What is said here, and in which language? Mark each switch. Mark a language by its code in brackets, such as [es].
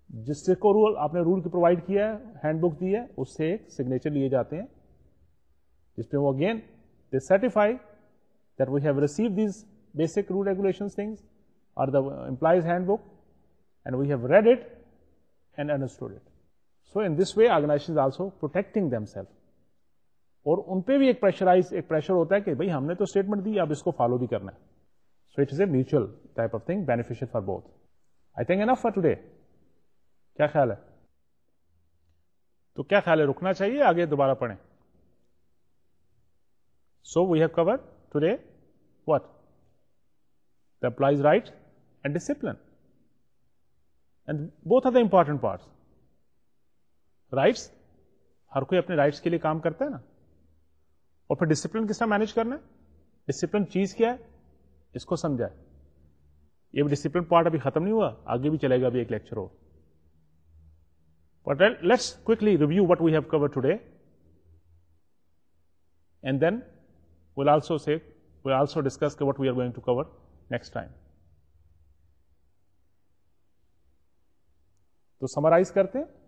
[ur] جس سے کو رول آپ نے رول کی پرووائڈ کیا ہے, ہینڈ بک دی ہے, اس سے ایک سگنیچر لیے جاتے ہیں جس پہ وہ [en] Again they certify that we have receive these basic rule regulation things or the employees handbook and we have read it and understood it. So in this way organization also protecting them self. [ur] اور ان پہ بھی ایک pressurize ایک pressure ہوتا ہے کہ بھائی ہم نے تو اسٹیٹمنٹ دی, اب اس کو فالو بھی کرنا ہے. [en] So it is a mutual type of thing, beneficial for both. I think enough for today. [ur] کیا خیال ہے؟ تو کیا خیال ہے, رکنا چاہیے آگے دوبارہ پڑھیں؟ [en] So we have cover today what the employees right and discipline and both are the important parts. [ur] Rights, ہر کوئی اپنے رائٹس کے لیے کام کرتا ہے نا, اور پھر ڈسپلن کس طرح مینج کرنا ہے, ڈسپلن چیز کیا ہے اس کو سمجھا ہے. یہ بھی ڈسپلن پارٹ ابھی ختم نہیں ہوا, آگے بھی چلے گا, ابھی ایک lecture ہو. [en] But let's quickly review what we have covered today. And then we'll also discuss what we are going to cover next time. To summarize karte.